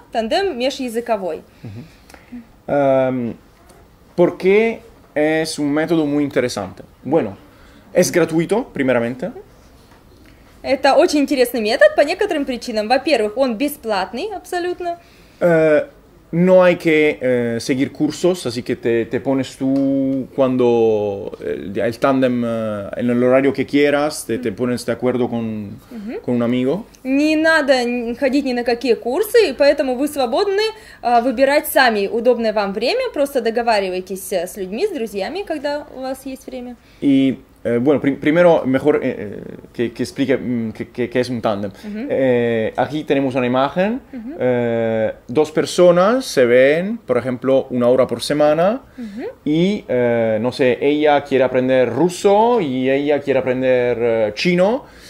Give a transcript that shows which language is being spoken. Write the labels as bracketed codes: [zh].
[ru] Тандем межязыковой. [es] ¿Por qué es un método muy interesante? Bueno, es gratuito, primeramente. [ru] Это очень интересный метод по некоторым причинам. Во-первых, он бесплатный абсолютно. [es] No hay que seguir cursos, así que te pones tú cuando el tándem, en el horario que quieras, te pones de acuerdo con un amigo. [ru] Не надо ходить ни на какие курсы, поэтому вы свободны выбирать сами удобное вам время, просто договаривайтесь с людьми, с друзьями, когда у вас есть время. И, [es] bueno, primero, mejor que explique qué es un tándem. Aquí tenemos una imagen. Dos personas se ven, por ejemplo, una hora por semana. Y, no sé, ella quiere aprender ruso y ella quiere aprender chino.